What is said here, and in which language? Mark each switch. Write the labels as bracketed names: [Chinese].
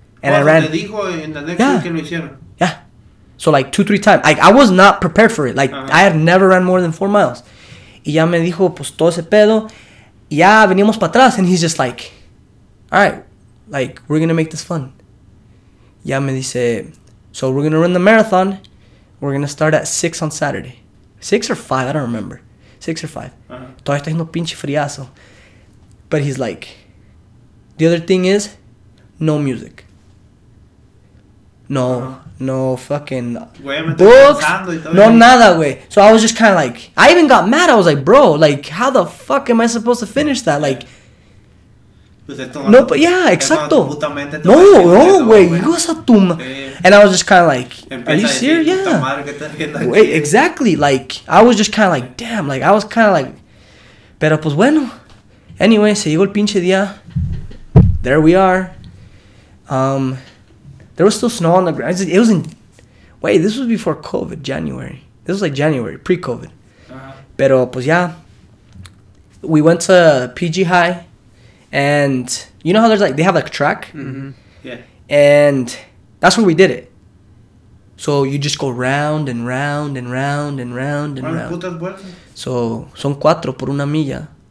[English] and I ran. [Spanish] Te dijo en la next week que lo hicieron. [English] So, like, 2-3 times. Like, I was not prepared for it. Like, I had never ran more than 4 miles. [Spanish] Y ya me dijo, pues, todo ese pedo. Y ya venimos para atrás. [English] And he's just like, all right, like, we're going to make this fun. [Spanish] Ya me dice, [English] so we're going to run the marathon. We're going to start at 6 on Saturday. 6 or 5, I don't remember. 6 or 5. [Spanish] Todavía está haciendo pinche friazo. [English] But he's like, the other thing is, no music. No, no fucking books, [Spanish] no nada, güey. [English] So I was just kind of like, I even got mad. I was like, bro, like, how the fuck am I supposed to finish that? Like, no, but yeah, exacto. [Spanish] No, no, güey, ibas a tu. [English] And I was just kind of like, are you serious? Yeah. Wait, exactly. Like, I was just kind of like, damn. Like, I was kind of like, [Spanish] pero pues bueno. Anyway, se llegó el pinche día. [English] There we are. There was still snow on the ground. It was in, Wait, this was before COVID, January. This was like January, pre-COVID. [Spanish] Pero, pues, [English] yeah. We went to PG High. And you know how there's like, they have like a track? Mm-hmm. Yeah. And that's where we did it. So you just go round and round and round and round and round. [Spanish] So, son cuatro por una milla.